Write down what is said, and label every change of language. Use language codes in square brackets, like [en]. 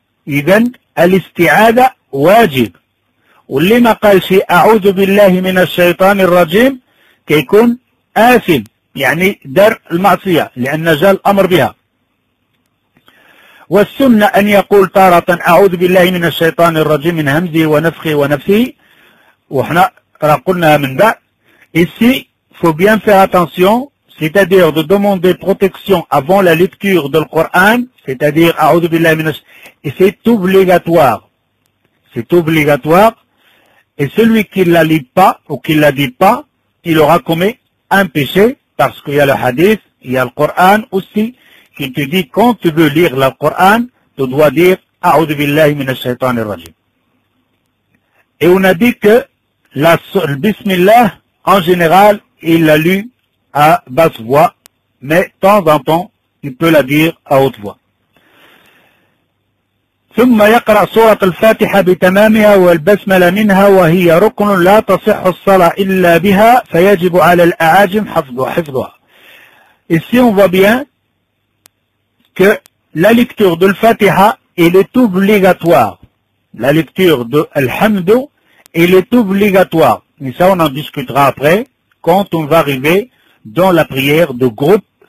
[ar] إذن الاستعاذة واجب، واللي ما قالش أعوذ بالله من الشيطان الرجيم كيكون آثم يعني درء المعصية لأن جاء الأمر بها. والسنة أن يقول تارة أعوذ بالله من الشيطان الرجيم من همزه ونفخه ونفسه، وإحنا قلناها من بعد. [fr] Et si, faut bien faire attention, c'est-à-dire de demander protection avant la lecture du Coran, c'est-à-dire A'udhu Billahi Minash, et c'est obligatoire. C'est obligatoire. Et celui qui ne la lit pas ou qui ne la dit pas, il aura commis un péché, parce qu'il y a le hadith, il y a le Coran aussi, qui te dit quand tu veux lire le Coran, tu dois dire A'udhu Billahi Minash Shaitanir Rajim. Et on a dit que la Bismillah, en général, il l'a lu à basse voix, mais de temps en temps, il peut la dire à haute voix. [ar] ثم يقرأ سورة الفاتحة بتمامها والبسملة منها وهي ركن لا تصح الصلاة إلا بها فيجب على الأعاجم حفظها. [fr] Ici on voit bien que la lecture de الفاتحة il est obligatoire. La lecture de الحمد il est obligatoire. Mais ça on en discutera après quand on va arriver dans la prière de groupe.